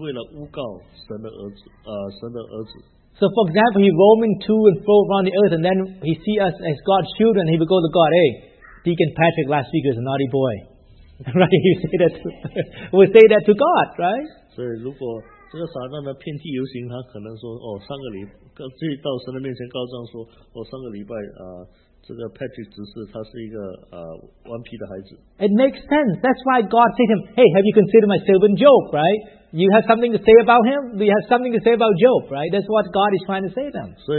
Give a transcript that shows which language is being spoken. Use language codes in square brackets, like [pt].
[zh] 所以这个撒旦呢到神的面前呢是为了诬告神的儿子。 [en] So for example, he roaming to and fro around the earth, and then he see us as God's children, he would go to God, hey, Deacon Patrick last week was a naughty boy. Right? He say that to, would say that to God, right? [zh] 所以如果这个撒旦呢遍地游行，他可能说，哦，上个礼拜，自己到神的面前告状说，我上个礼拜，这个 Patrick 只是他是一个顽皮的孩子。 [en] It makes sense. That's why God said to him, hey, have you considered my servant Job, right? You have something to say about him? Do you have something to say about Job, right? That's what God is trying to say to them.